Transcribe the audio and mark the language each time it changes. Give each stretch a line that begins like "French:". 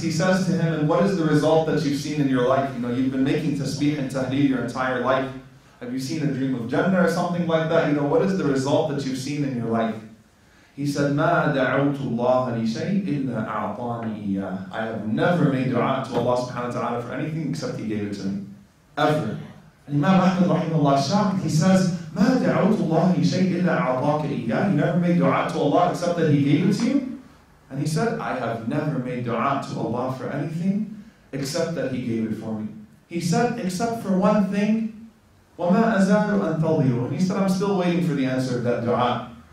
English: He says to him, and what is the result that you've seen in your life? You've been making tasbih and tahleel your entire life. Have you seen a dream of Jannah or something like that? What is the result that you've seen in your life? He said,
Arabic: ما دعوت الله لشيء إلا أعطاني إياه.
English: I have never made dua to Allah subhanahu wa ta'ala for anything except He gave it to me. Ever. And Imam Ahmad rahimahullah shocked. He says,
Arabic: ما دعوت الله لشيء إلا أعطاك إياه.
English: You never made dua to Allah except that He gave it to you? And he said, I have never made dua to Allah for anything except that He gave it for me. He said, except for one thing,
Arabic: وما أزال أن تضيع.
English: And he said, I'm still waiting for the answer of that dua.